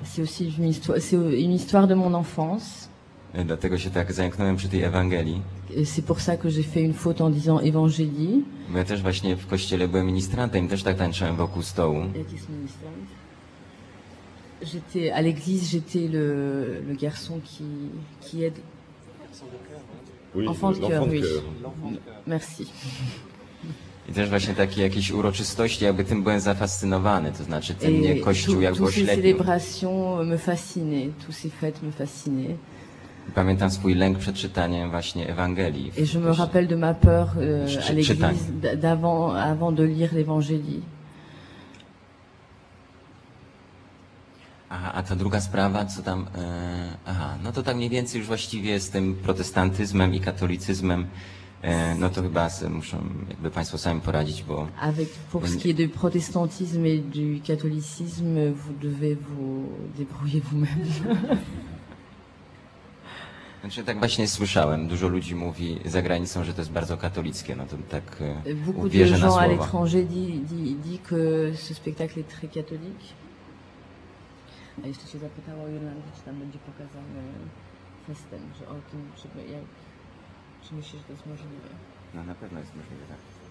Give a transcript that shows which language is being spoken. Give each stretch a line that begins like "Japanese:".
French: C'est aussi une histoire, c'est une histoire de mon enfance.
Polish: Dlatego się tak zająknąłem przy tej Ewangelii.
French: C'est pour ça que j'ai fait une faute en disant Évangélie.
Polish: Bo ja też właśnie w kościele byłem ministrantem, też tak tańczyłem wokół stołu. Jaki jest ministrant?
French: J'étais à l'église, j'étais le garçon qui aide. Oui, enfant de cœur, oui. Merci.
Polish: I też właśnie takie jakieś uroczystości, jakby tym byłem zafascynowany, to znaczy ten mnie kościół jakby oślepił.
French: Toutes ces célébrations me fascinaient, toutes ces fêtes me fascinaient.
Polish: Pamiętam swój lęk przed czytaniem właśnie Ewangelii.
French: Et je me rappelle de ma peur à l'église avant de lire l'Évangile.
Polish: A ta druga sprawa, co tam... no to tak mniej więcej już właściwie z tym protestantyzmem i katolicyzmem, no to chyba muszą jakby Państwo sami poradzić, bo...
French: Avec, pour ce qui est du protestantisme et du catholicisme, vous devez vous débrouiller vous-même.
Polish: Znaczy, tak właśnie słyszałem. Dużo ludzi mówi za granicą, że to jest bardzo katolickie. No to tak uwierzę na słowa.
French: À l'étranger dit que ce spectacle est très catholique.
Polish: A jeszcze się zapytała o Jolandę, czy tam będzie pokazany festem, że o tym, czy myślisz, że to jest możliwe? No na pewno jest możliwe, tak.